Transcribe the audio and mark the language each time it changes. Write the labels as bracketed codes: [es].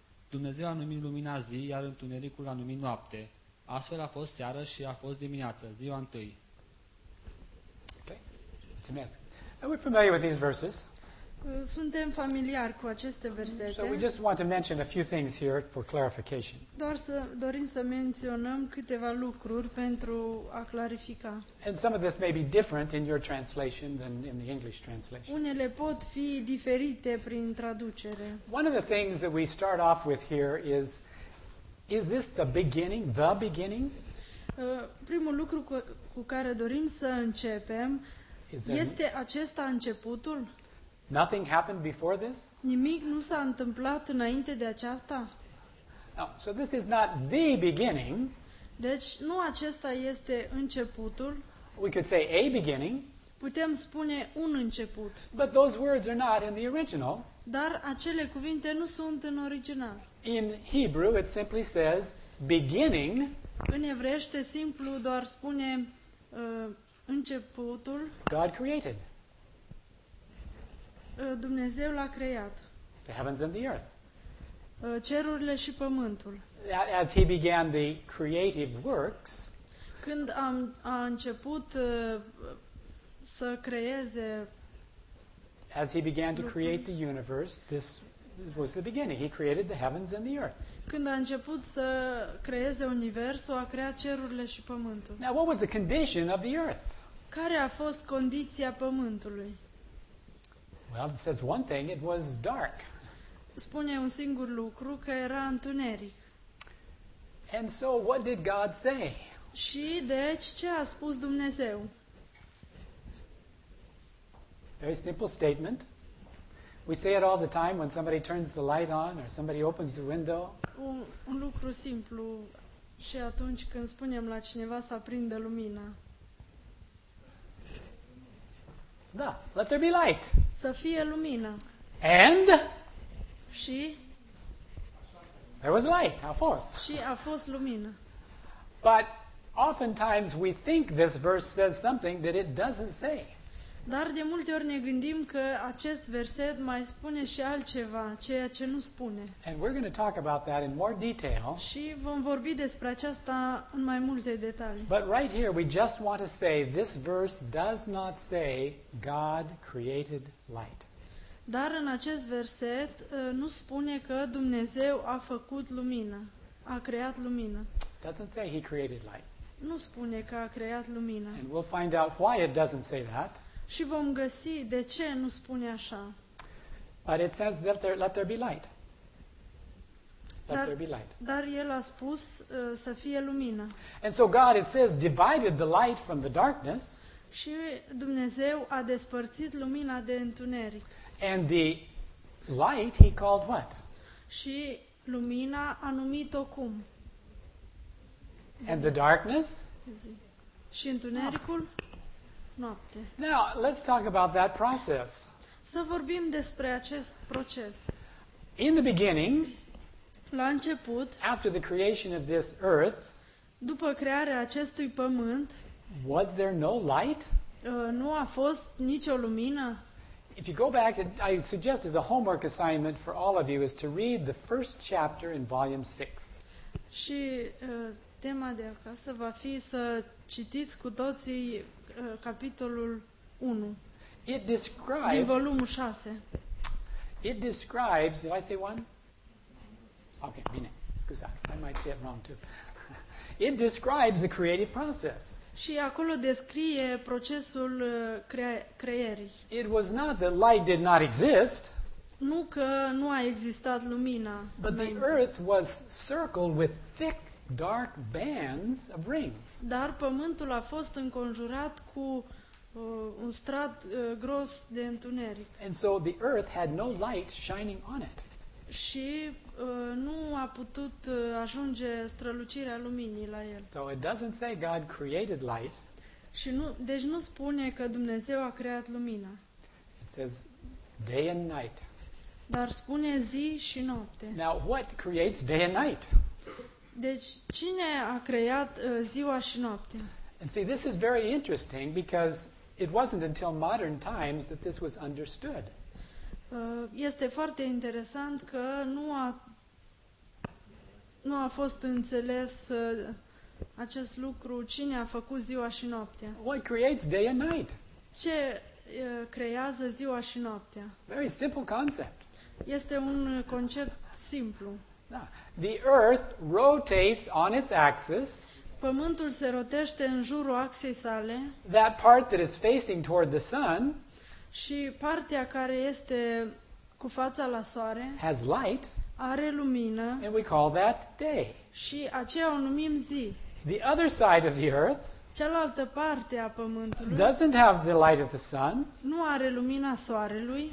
[ro] Dumnezeu a numit lumina zi, iar întunericul a numit noapte. Astfel a fost seară și a fost dimineață, ziua întâi. Ok, mulțumesc. [en] Are we familiar with these verses? [ro] Suntem familiari cu aceste versete. [en] So we just want to mention a few things here for clarification. [ro] Doar să dorim să menționăm câteva lucruri pentru a clarifica. [en] And some of this may be different in your translation than in the English translation. [ro] Unele pot fi diferite prin traducere. [en] One of the things that we start off with here is this the beginning, the beginning? [ro] Primul lucru cu care dorim să începem este acesta începutul? [en] Nothing happened before this? [ro] Nimic nu s-a întâmplat înainte de aceasta? [en] No, so this is not the beginning. [ro] Deci nu acesta este începutul. [en] We could say a beginning. [ro] Putem spune un început. [en] But those words are not in the original. [ro] Dar acele cuvinte nu sunt în original. [en] In Hebrew it simply says beginning. [ro] În evreiește simplu doar spune începutul. [en] God created. [ro] Dumnezeu l-a creat. [en] The heavens and the earth. [ro] Cerurile și pământul. [en] As he began the creative works. [ro] Când a început să creeze. [en] As he began to create the universe, this was the beginning. He created the heavens and the earth. [ro] Când a început să creeze universul, a creat cerurile și pământul. [en] Now what was the condition of the earth? [ro] Care a fost condiția pământului? [en] Well, it says one thing, it was dark. [ro] Spune un singur lucru, că era întuneric. [en] And so what did God say? [ro] Și deci ce a spus Dumnezeu? [en] Very simple statement. We say it all the time when somebody turns the light on or somebody opens the window. [ro] Un lucru simplu și atunci când spunem la cineva să aprindă lumina. [en] Da, let there be light. [ro] Să fie lumină. [en] And? [ro] Și? [en] There was light, [ro] a fost. Și a fost lumină. [en] But oftentimes we think this verse says something that it doesn't say. [ro] Dar de multe ori ne gândim că acest verset mai spune și altceva, ceea ce nu spune. [en] And we're going to talk about that in more detail. [ro] Și vom vorbi despre aceasta în mai multe detalii. [en] But right here we just want to say this verse does not say God created light. [ro] Dar în acest verset nu spune că Dumnezeu a făcut lumină, a creat lumină. [en] Doesn't say he created light. [ro] Nu spune că a creat lumină. [en] And we'll find out why it doesn't say that. [ro] Și vom găsi de ce nu spune așa. [en] But it says that there, let there be light. [ro] Dar el a spus să fie lumină. [en] And so God, it says, divided the light from the darkness. [ro] Și Dumnezeu a despărțit lumina de întuneric. [en] And the light he called what? [ro] Și lumina a numit-o cum? [en] And the darkness? [ro] Și întunericul? Noapte. [en] Now, let's talk about that process. [ro] Să vorbim despre acest proces. [en] In the beginning, [ro] la început, [en] after the creation of this earth, [ro] după crearea acestui pământ, [en] was there no light? [ro] Nu a fost nicio lumină? [en] If you go back, I suggest as a homework assignment for all of you is to read the first chapter in volume 6. [ro] Și tema de acasă va fi să citiți cu toții capitolul 1. [en] It describes, [ro] din volumul 6. [en] It describes, did I say 1? Ok, [ro] bine, scuza, [en] I might say it wrong too. It describes the creative process. [ro] Și acolo descrie procesul creierii. [en] It was not that light did not exist. [ro] Nu că nu a existat lumina. [en] But the earth was circled with thick dark bands of rings. [ro] Dar pământul a fost înconjurat cu un strat gros de întuneric. [en] And so the earth had no light shining on it. [ro] Și nu a putut ajunge strălucirea luminii la el. [en] So it doesn't say God created light. [ro] Și nu, deci nu spune că Dumnezeu a creat lumina. [en] It says day and night. [ro] Dar spune zi și noapte. [en] Now what creates day and night? [ro] Deci cine a creat ziua și noaptea? [en] And see, this is very interesting because it wasn't until modern times that this was understood. [ro] Este foarte interesant că nu a fost înțeles acest lucru, cine a făcut ziua și noaptea. [en] What creates day and night? [ro] Ce creează ziua și noaptea. [en] Very simple concept. [ro] Este un concept simplu. [en] Da. The earth rotates on its axis. [ro] Pământul se rotește în jurul axei sale. [en] That part that is facing toward the sun. [ro] Și partea care este cu fața la soare. [en] Has light. [ro] Are lumină. [en] And we call that day. [ro] Și aceea o numim zi. [en] The other side of the earth. [ro] Cealaltă parte a pământului. [en] Doesn't have the light of the sun. [ro] Nu are lumina soarelui.